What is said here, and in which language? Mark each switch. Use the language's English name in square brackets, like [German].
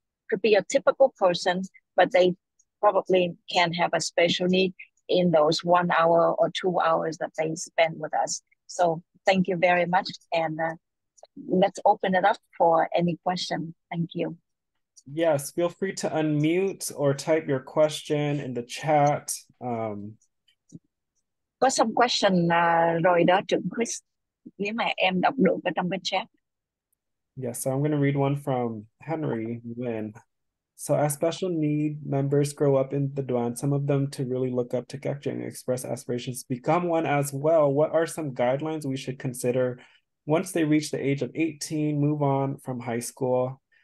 [English] Could be a typical person, but they probably can have a special need in those 1 hour or 2 hours that they spend with us. So Thank you very much. And let's open it up for any question. Thank you. Yes, feel free to unmute or type your question in the chat. [Vietnamese] Có [English] some question [Vietnamese] rồi đó Trưởng Chris, nếu mà em đọc được ở trong cái [English] Yes, so I'm going to read one from Henry Nguyen. So, as special need members grow up in the Duan, some of them to really look up to Kekjen and express aspirations become one as well. What are some guidelines we should consider once they reach the age of 18, move on from high school?